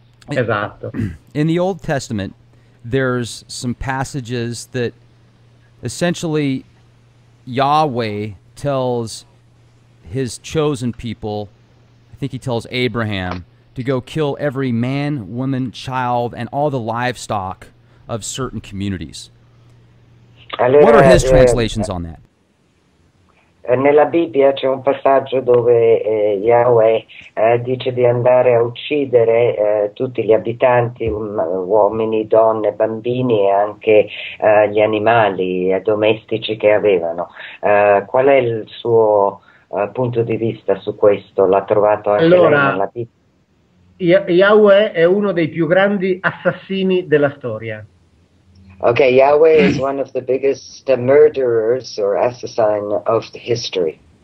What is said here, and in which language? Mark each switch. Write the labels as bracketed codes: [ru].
[en] In the Old Testament, there's some passages that essentially Yahweh tells his chosen people, I think he tells Abraham, to go kill every man, woman, child, and all the livestock of certain communities. What are his translations on that? [it] Nella Bibbia c'è un passaggio dove Yahweh dice di andare a uccidere tutti gli abitanti, uomini, donne, bambini e anche gli animali domestici che avevano. Qual è il suo punto di vista su questo? L'ha trovato anche nella Bibbia? Yahweh è uno dei più grandi assassini della storia. [en] Okay, Yahweh is one of the biggest murderers or assassins of the history.